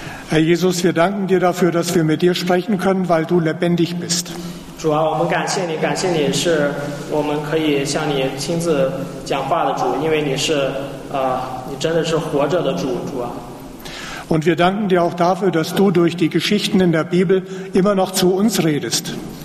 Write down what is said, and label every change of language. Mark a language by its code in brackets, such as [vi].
[de] Herr Jesus, wir danken dir dafür, dass wir mit dir sprechen können, weil du lebendig bist. [zh] 主啊，我们感谢你，感谢你是我们可以向你亲自讲话的主，因为你是你真的是活着的主啊。 [de] Und wir danken dir auch dafür, dass du durch die Geschichten in der Bibel immer noch zu uns redest.